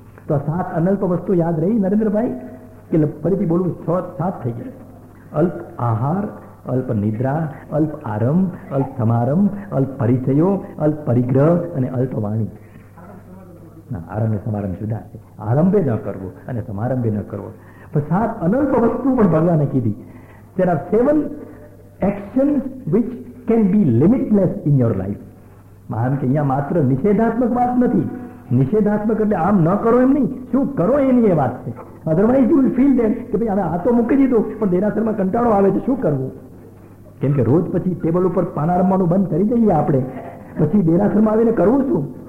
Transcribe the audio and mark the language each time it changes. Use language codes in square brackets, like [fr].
[gu] તો આ સાત અનલ્પ વસ્તુ યાદ રહી નરેન્દ્રભાઈ, કે ફરીથી બોલવું, સાત થઈ ગયા: અલ્પ આહાર, અલ્પ નિદ્રા, અલ્પ આરંભ, અલ્પ સમારંભ, અલ્પ પરિચયો, અલ્પ પરિગ્રહ અને અલ્પવાણી. આરંભ સમારંભ જુદા છે, આરંભે ન કરવો અને સમારંભે ન કરવો. પણ સાત અનલ્પ વસ્તુ પણ ભગવાને કીધી, [en] there are seven actions which can be limitless in your life. [gu] માન કે અહીંયા માત્ર નિષેધાત્મક વાત નથી, નિષેધાત્મક એટલે આમ ન કરો એમ નહીં, શું કરો એની એ વાત છે. [en] otherwise you will feel that [gu] કે ભાઈ હવે આ તો મૂકી દીધું પણ દેરાસરમાં કંટાળો આવે છે, શું કરવું? કેમ કે રોજ પછી ટેબલ ઉપર પાના રમવાનું બંધ કરી દઈએ આપણે, પછી દેરાસરમાં આવીને કરવું શું?